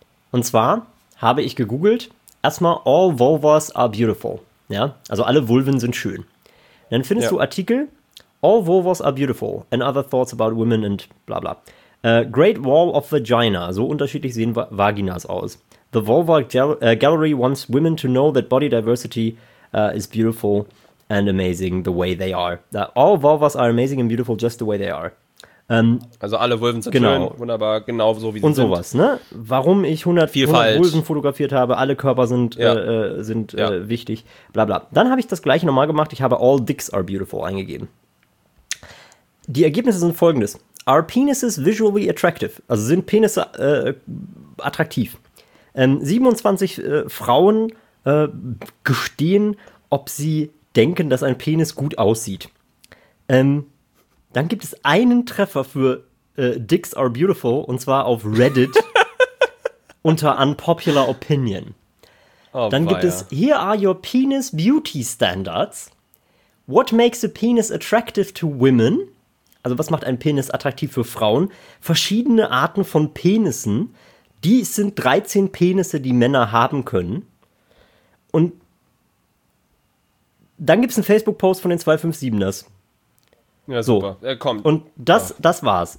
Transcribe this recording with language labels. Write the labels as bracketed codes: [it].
[de] Und zwar habe ich gegoogelt, erstmal [en] all vulvas are beautiful. [de] Ja, also alle Vulven sind schön. Dann findest du Artikel, [en] all vulvas are beautiful and other thoughts about women [de] and bla bla. [en] Great wall of vagina, [de] so unterschiedlich sehen Vaginas aus. [en] The Vulva Gallery wants women to know that body diversity is beautiful and amazing the way they are. All vulvas are amazing and beautiful just the way they are. [de] Also alle Vulven sind schön, wunderbar, genau so wie sie und sind. Und sowas, ne? Warum ich 100 Vulven fotografiert habe, alle Körper sind, wichtig, bla bla. Dann habe ich das gleiche nochmal gemacht, ich habe [en] all dicks are beautiful [de] eingegeben. Die Ergebnisse sind folgendes. [en] Are penises visually attractive? [de] Also sind Penisse attraktiv? 27 Frauen gestehen, ob sie denken, dass ein Penis gut aussieht. Dann gibt es einen Treffer für [en] Dicks are beautiful, [de] und zwar auf Reddit unter Unpopular Opinion. Oh, dann gibt es [en] Here are your penis beauty standards. What makes a penis attractive to women? [de] Also was macht ein Penis attraktiv für Frauen? Verschiedene Arten von Penissen. Die sind 13 Penisse, die Männer haben können. Und dann gibt es einen Facebook-Post von den 257ers. Ja, super. So. Kommt. Und das war's.